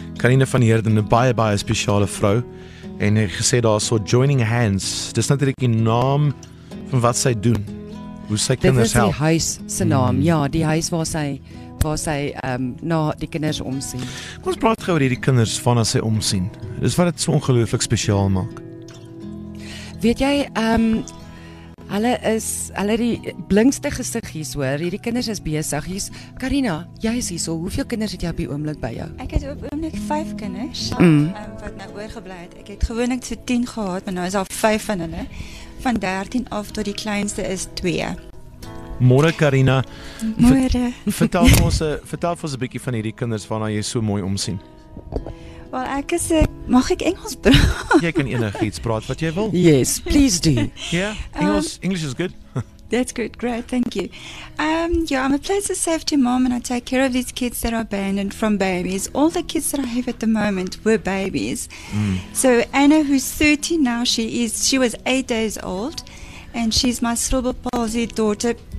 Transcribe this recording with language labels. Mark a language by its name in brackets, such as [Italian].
[Afrikaans] Karina van Heerden, een baie, baie speciale vrou. En hy gesê daar so, Joining Hands, dis natuurlijk die naam van wat sy doen. Hoe sy kinders help. Dit is die huis se naam, ja, die huis waar sy na die kinders omsien. Kom ons praat gauw oor die kinders van as sy omsien. Dis wat het so ongelooflik speciaal maak. Weet jy, hulle die blinkste gesigjes hoor, hierdie kinders is besig. Hier is, Karina, jy is hier so, hoeveel kinders het jy op die oomblik by jou? Ek het op oomblik 5 kinders, wat nou oorgeblei het. Ek het gewoonlik so 10 gehad, maar nou is al 5 van hulle. Van 13 af tot die kleinste is 2. Môre Karina. Môre. Vertel vir ons 'n bietjie van hierdie kinders waarna jy so mooi omsien. Wel, ek is mag ek Engels praat? Jy kan enigiets praat wat jy wil. [English] Yes, please do. Yeah. English is good. That's good. Great. Thank you. I'm a place of safety mom and I take care of these kids that are abandoned from babies. All the kids that I have at the moment were babies. Mm. So Anna, who's 30 now, she was 8 days old and she's my cerebral palsy daughter.